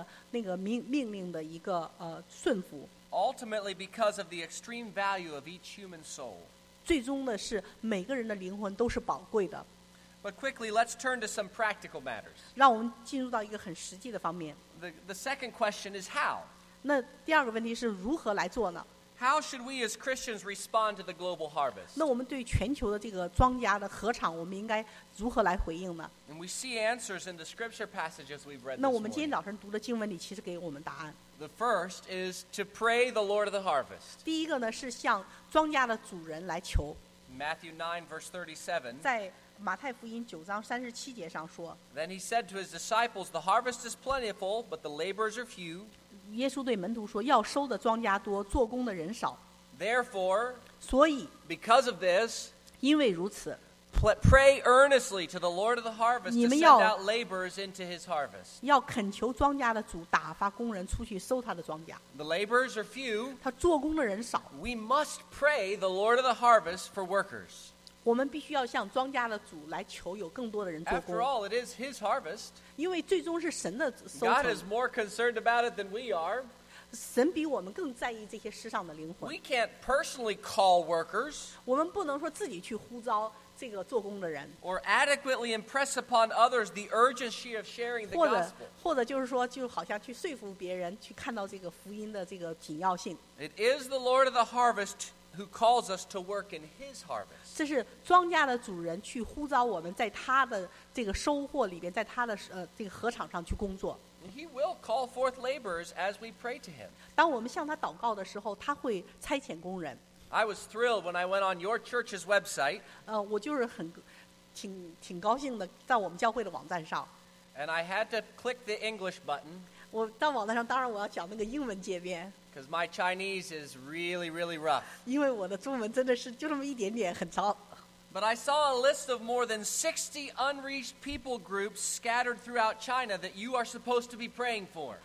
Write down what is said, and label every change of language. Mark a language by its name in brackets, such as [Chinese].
[Chinese] 第二是对耶稣他的榜样跟他的那个命令的一个,顺服。 [English] Ultimately because of the extreme value of each human soul. [Chinese] 最终的是每个人的灵魂都是宝贵的。 [English] But quickly, let's turn to some practical matters. [Chinese] 让我们进入到一个很实际的方面。 [English] The second question is how? [Chinese] 那第二个问题是如何来做呢? [English] How should we as Christians respond to the global harvest? [Chinese] 那我们对全球的这个庄稼的合场，我们应该如何来回应呢？ [English] And we see answers in the scripture passages we've read. [Chinese] 那我们今天早晨读的经文里其实给我们答案。 [English] The first is to pray the Lord of the harvest. [Chinese] 第一个呢是向庄稼的主人来求。 [English] Matthew 9 verse 37. [Chinese] 在马太福音九章三十七节上说。 [English] Then he said to his disciples, "The harvest is plentiful, but the laborers are few." [Chinese] 耶稣对门徒说，要收的庄稼多，做工的人少。 [English] Therefore, [Chinese] 所以 [English] because of this, [Chinese] 因为如此 [English] pray earnestly to the Lord of the harvest to send out laborers into his harvest. [Chinese] 要恳求庄稼的主打发工人出去收他的庄稼。 [English] The laborers are few. [Chinese] 他做工的人少。 [English] We must pray the Lord of the harvest for workers. [Chinese] 我们必须要向庄稼的主来求有更多的人做工。 [English] After all, it is his harvest. [Chinese] 因为最终是神的收成。 [English] God is more concerned about it than we are. [Chinese] 神比我们更在意这些世上的灵魂。 [English] We can't personally call workers. [Chinese] 我们不能说自己去呼召这个做工的人。 [English] Or adequately impress upon others the urgency of sharing the gospel. [Chinese] 或者就是说，就好像去说服别人去看到这个福音的这个紧要性。 [English] It is the Lord of the harvest. Who calls us to work in His harvest? [Chinese] 这是庄稼的主人去呼召我们在他的这个收获里边，在他的这个禾场上去工作。 [English] He will call forth laborers as we pray to Him. [Chinese] 当我们向他祷告的时候，他会差遣工人。 [English] I was thrilled when I went on your church's website. [Chinese] 我就是很挺高兴的，在我们教会的网站上。 [English] And I had to click the English button. [Chinese] 我到网站上，当然我要讲那个英文界面。 [English] Because my Chinese is really, really rough. [Chinese] 因为我的中文真的是就那么一点点，很糟。 [English] But I saw a list of more than 60 unreached people groups scattered throughout China that you are supposed to be praying for.